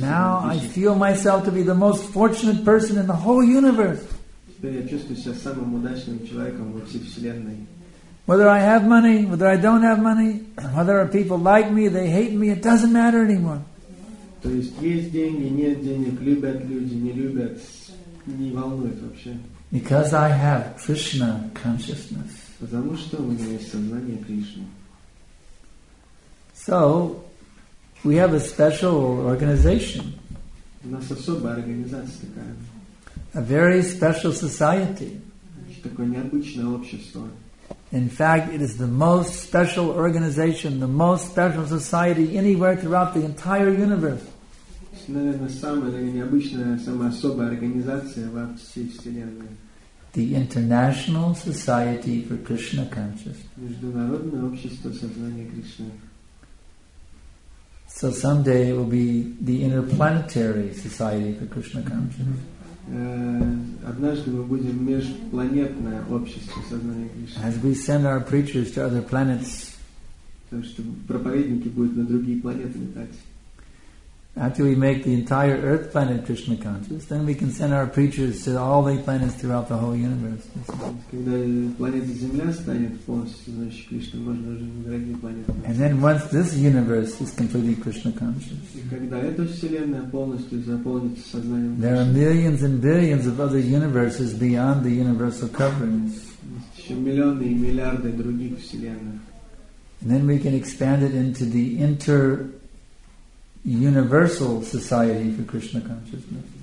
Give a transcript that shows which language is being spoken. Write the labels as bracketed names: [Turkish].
[English] Now I feel myself to be the most fortunate person in the whole universe. [Russian] Теперь я чувствую себя самым удачным человеком во всей вселенной. [English] Whether I have money, whether I don't have money, whether people like me, they hate me, it doesn't matter anymore. [Russian] То есть есть деньги, нет денег, любят люди, не любят, не волнует вообще. [English] Because I have Krishna consciousness. [Russian] Потому что у меня есть сознание Кришны. [English] So, we have a special organization. [Russian] У нас особая организация такая. [English] A very special society. [Russian] Такое необычное общество. [English] In fact, it is the most special organization, the most special society anywhere throughout the entire universe. The International Society for Krishna Consciousness. So someday it will be the Interplanetary Society for Krishna Consciousness. [Russian] Однажды мы будем межпланетное общество сознания Кришны. [English] As we send our preachers to other planets. [Russian] Потому что проповедники будут на другие планеты летать. [English] After we make the entire Earth planet Krishna conscious, then we can send our preachers to all the planets throughout the whole universe. [Russian] Когда планета Земля станет полностью, значит, Кришна, можно уже на другие планеты. [English] And then once this universe is completely Krishna conscious, [Russian] когда эта вселенная полностью заполнится сознанием Кришны, [English] there are millions and billions of other universes beyond the universal coverings. [Russian] Еще миллионы и миллиарды других вселенных. [English] And then we can expand it into the Universal Society for Krishna Consciousness.